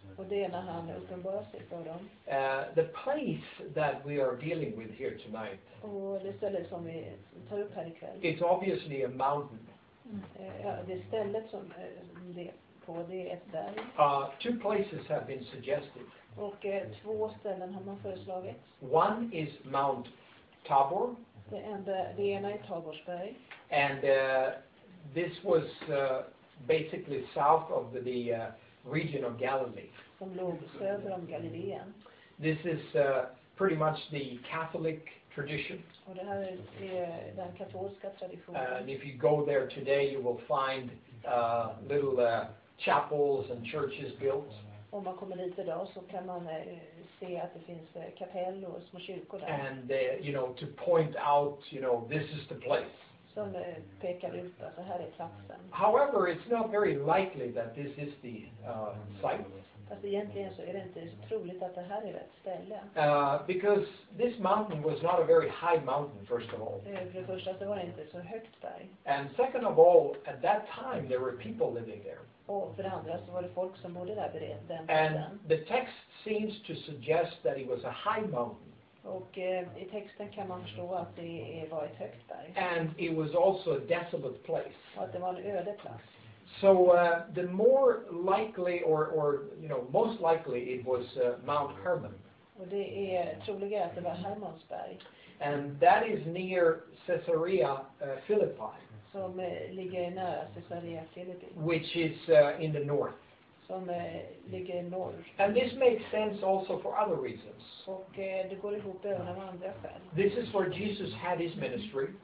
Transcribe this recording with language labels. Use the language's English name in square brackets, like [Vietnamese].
[Swedish] Och det är när han uppenbarar sig för dem. [English] The place that we are dealing with here tonight. [Swedish] Och det stället som vi tar upp här ikväll. [English] It's obviously a mountain. [Swedish] Det stället som det på det är ett berg. [English] Two places have been suggested. [Swedish] Och två ställen har man föreslagit. [English] One is Mount Tabor. [Swedish] Det ena är Taborsberg. [English] And this was basically south of the region of Galilee. [Swedish] Som låg söder om Galileen. [English] This is pretty much the Catholic tradition. [Swedish] Och det här är den katolska traditionen. [English] And if you go there today you will find little chapels and churches built. [Swedish] Om man kommer dit idag så kan man se att det finns kapell och små kyrkor där. [English] And you know, to point out, you know, this is the place. [Swedish] Som pekar ut att det här är platsen. [English] However, it's not very likely that this is the site. [Swedish] Fast egentligen så är det inte så troligt att det här är rätt ställe. [English] Because this mountain was not a very high mountain, first of all. [Swedish] För det första så var det inte så högt berg. [English] And second of all, at that time there were people living there. [Swedish] Och för det andra så var det folk som bodde där vid den tiden. [English] And the text seems to suggest that it was a high mountain. [Swedish] Och i texten kan man förstå att det var ett högt berg. [English] And it was also a desolate place. [Swedish] Och att det var en öde plats. [English] So the more likely or you know most likely it was Mount Hermon. [Swedish] Och det är troligare att det var Hermons berg. [English] And that is near Caesarea Philippi. [Swedish] Som ligger nära Caesarea Philippi. [English] Which is in the north. [Swedish] som ligger norr. [English] And this makes sense also for other reasons. [Swedish] Och det går ihop även av andra skäl. [English] This is where Jesus had his ministry.